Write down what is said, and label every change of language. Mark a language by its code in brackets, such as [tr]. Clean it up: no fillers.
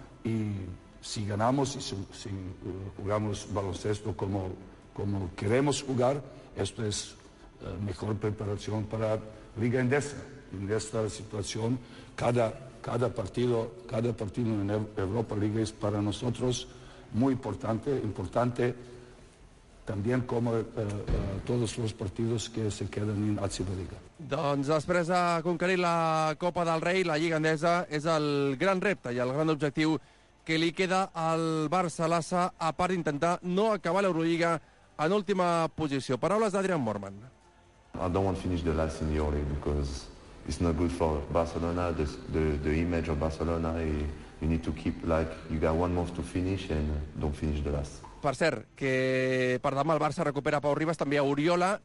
[es] Y si ganamos y si jugamos baloncesto como queremos jugar, esto es mejor preparación para Liga Endesa. En esta situación, cada partido en Europa Liga es para nosotros muy importante también como todos los partidos que se quedan en ACB Liga. [ca] Doncs després de conquerir la Copa del Rei, la Liga Endesa és el gran repte i el gran objectiu que li queda al Barça l'Assa, a part d'intentar no acabar l'Euroliga en última posició. Paraules d'Adrian Mormann. [en] I don't want to finish the last in the Euroleague because it's not good for Barcelona, the image of Barcelona, you need to keep, like, you got one month to finish and don't finish the last. [ca] Per cert, que per demà el Barça recupera Pau Ribas, també a Oriola.